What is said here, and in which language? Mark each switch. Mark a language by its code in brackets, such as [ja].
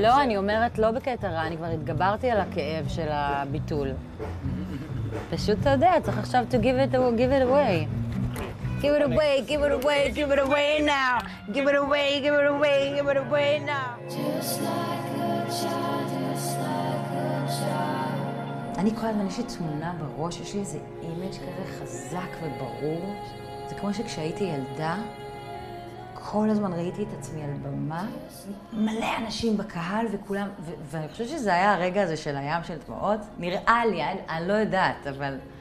[he] לא, אני אומרת לא בקטע רע, אני כבר התגברתי על הכאב של הביטול. פשוט אתה יודע, צריך עכשיו [en] to give it away. Give it away, give it away, give it away now. Give it away, give it away, give it away now. [he] אני כל הזמן, יש לי תמונה בראש, יש לי איזה אימג' כזה חזק וברור. זה כמו שכשהייתי ילדה, כל הזמן ראיתי את עצמי על במה, מלא אנשים בקהל וכולם, ואני חושבת שזה היה הרגע הזה של הים של דמעות, נראה לי, אני לא יודעת, אבל...